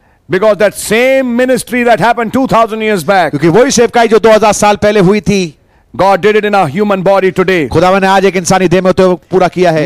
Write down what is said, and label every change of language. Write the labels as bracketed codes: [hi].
[en] Because that same ministry that happened 2000 years back. [hi] क्योंकि वही सेवकाई जो 2000 साल पहले हुई थी. [en] God did it in a human body today. [hi] खुदा ने आज एक इंसानी देह में तो पूरा किया है.